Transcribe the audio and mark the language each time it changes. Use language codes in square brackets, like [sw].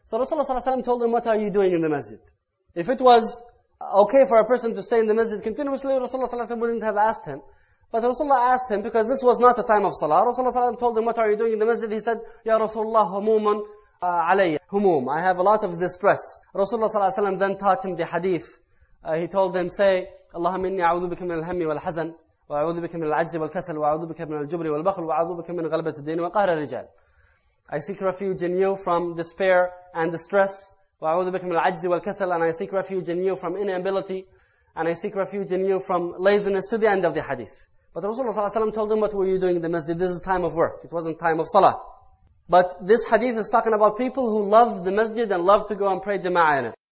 [en] So Rasulullah ﷺ told him, what are you doing in the masjid? If it was okay for a person to stay in the masjid continuously, Rasulullah ﷺ wouldn't have asked him. But Rasulullah asked him, because this was not a time of salah, Rasulullah ﷺ told him, what are you doing in the masjid? He said, Ya Rasulullah, [ar] humumun alayya. [en] Humum, I have a lot of distress. Rasulullah ﷺ then taught him the hadith. He told him, say, [ar] Allahumma inni a'udhu bika min al-hammi wal-hazan. وأعوذ بك من العجز والكسل وأعوذ بك من الجبر والبخل وأعوذ بك من غلبة الدين وقهر الرجال. [en] I seek refuge in you from despair and distress. [ar] وأعوذ بك من العجز والكسل, [en] and I seek refuge in you from inability, and I seek refuge in you from laziness, to the end of the hadith. But Rasulullah صلى الله عليه وسلم told him, what were you doing in the masjid? This is time of work. It wasn't time of salah. But this hadith is talking about people who love the masjid and love to go and pray jama'ah in it.